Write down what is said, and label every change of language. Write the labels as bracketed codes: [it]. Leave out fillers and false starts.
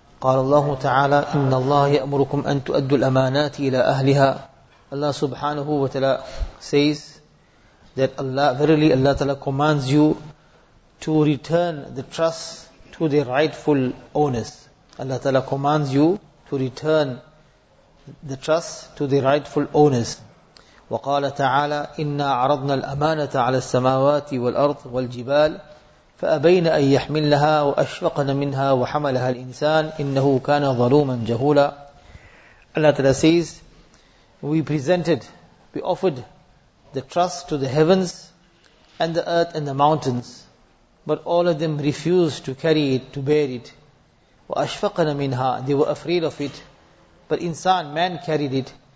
[ar] قال الله تعالى: إن الله يأمركم أن تؤدوا الأمانات إلى أهلها. [en] Allah subhanahu wa ta'ala says that Allah, verily Allah ta'ala commands you to return the trust to their rightful owners. Allah ta'ala commands you to return the trust to their rightful owners. [ar] وقال تعالى: إنا عرضنا الأمانة على السماوات والأرض والجبال فأبين أن يحملها وأشفقن منها وحملها الإنسان إنه كان ظلوما جهولا. [en] Allah ta'ala says, We offered the trust to the heavens and the earth and the mountains, but all of them refused to carry it, to bear it. [ar] وَأَشْفَقَنَ مِنْهَا [en] They were afraid of it, but insan, man carried it.